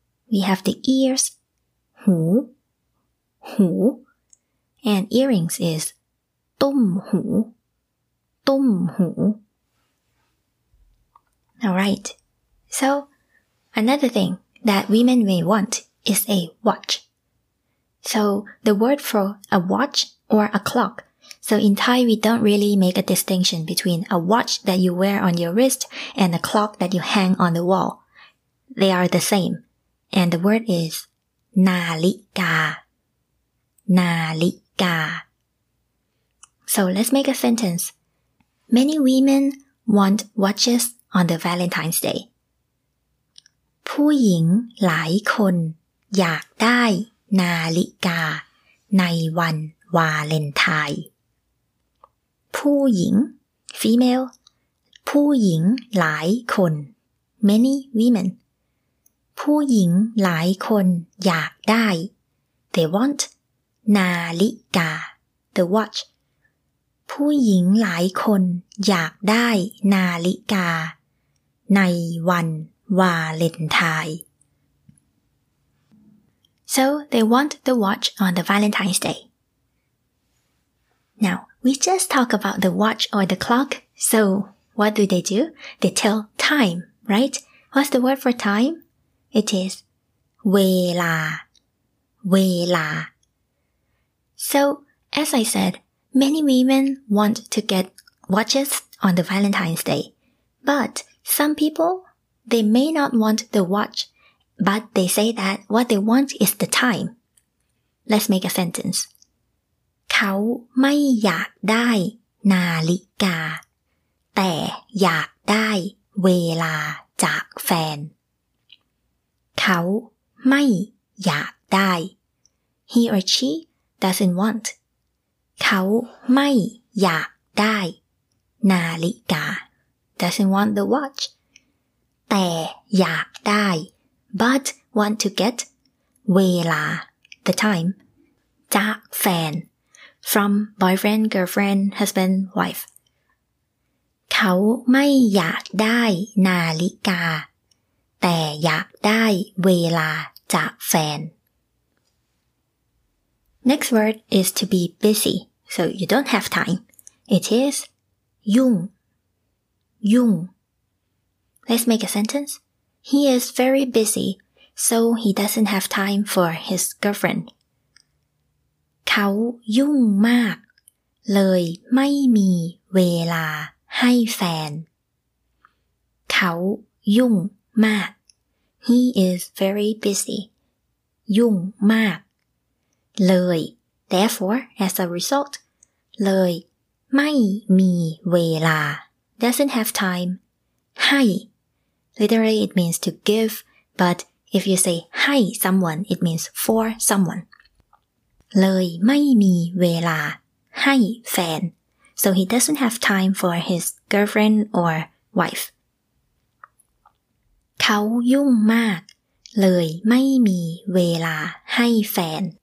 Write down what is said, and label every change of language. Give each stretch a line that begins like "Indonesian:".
English: We have the ears หูหู And earrings is ตุ้มหูตุ้มหูAlright, so another thing that women may want is a watch. So the word for a watch or a clock. So in Thai, we don't really make a distinction between a watch that you wear on your wrist and a clock that you hang on the wall. They are the same. And the word is นาฬิกา นาฬิกา So let's make a sentence. Many women want watches. On the Valentine's Day.
Thai: ผู้หญิงหลายคนอยากได้นาฬิกาในวันวาเลนไทน์ ผู้หญิง female ผู้หญิงหลายคน
English: many women
Thai: ผู้หญิงหลายคนอยากได้
English: they want
Thai: นาฬิกา
English: the watch
Thai: ผู้หญิงหลายคนอยากได้นาฬิกาในวันวาเลนไทน์
English: So they want the watch on the Valentine's Day. Now, we just talk about the watch or the clock. So what do? They tell time, right? What's the word for time? It is เวลา เวลา So as I said, many women want to get watches on the Valentine's Day. ButSome people, they may not want the watch, but they say that what they want is the time. Let's make a sentence.
Thai: เขาไม่อยากได้นาฬิกาแต่อยากได้เวลาจากแฟน เขาไม่อยากได้
English: He or she doesn't want.
Thai: เขาไม่อยากได้นาฬิกา
English: Doesn't want the watch.
Thai: แต่อยากได้
English: but want to get เวลา the time
Thai: จากแฟน
English: from boyfriend, girlfriend, husband, wife.
Thai: เขาไม่อยากได้นาฬิกาแต่อยากได้เวลาจากแฟน
English: Next word is to be busy, so you don't have time. It is ยุ่งยุ่ง Let's make a sentence. He is very busy, so he doesn't have time for his girlfriend.
Thai: เ ขายุ่งมากเลยไม่มีเวลาให้แฟนเขายุ่งมาก
English: He is very busy.
Thai: ยุ่งมากเลย
English: Therefore, as a result,
Thai: เลยไม่มีเวลา
English: Doesn't have time. ให้ Literally, it means to give. But if you say ให้ someone, it means for someone.
Thai: เลยไม่มีเวลาให้แฟน
English: So he doesn't have time for his girlfriend or wife.
Thai: เขายุ่งมากเลยไม่มีเวลาให้แฟน